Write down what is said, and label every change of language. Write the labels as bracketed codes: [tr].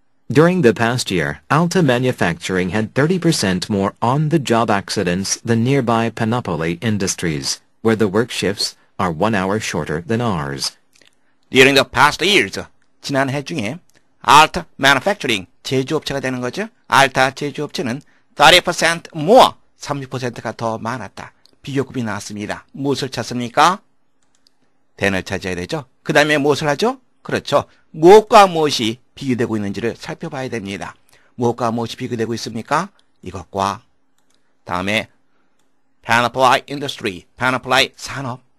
[en] During the past year, Alta Manufacturing had 30% more on-the-job accidents than nearby Panoply Industries, where the work shifts are 1 hour shorter than ours. During the past years, [ko] 지난해 중에 [en] Alta Manufacturing, [ko] 제조업체가 되는 거죠. Alta 제조업체는 [en] 30% more, [ko] 30%가 더 많았다. 비교급이 나왔습니다. 무엇을 찾습니까? 된을 찾아야 되죠. 그 다음에 무엇을 하죠? 그렇죠. 무엇과 무엇이 비교되고 있는지를 살펴봐야 됩니다. 무엇과 무엇이 비교되고 있습니까? 이것과. 다음에 Panoply Industry, Panoply 산업.